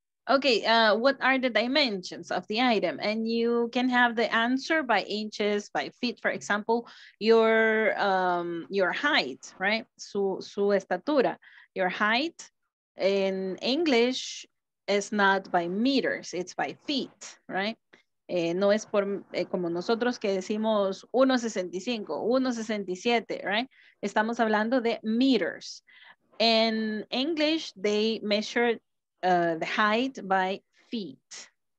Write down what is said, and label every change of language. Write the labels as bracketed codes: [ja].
[en] Ok, what are the dimensions of the item? And you can have the answer by inches, by feet, for example, your height, right? [es] Su estatura. [en] Your height in English is not by meters, it's by feet, right? [es] No es por, como nosotros que decimos 1.65, 1.67, right? Estamos hablando de meters. [en] In English, they measure the height by feet.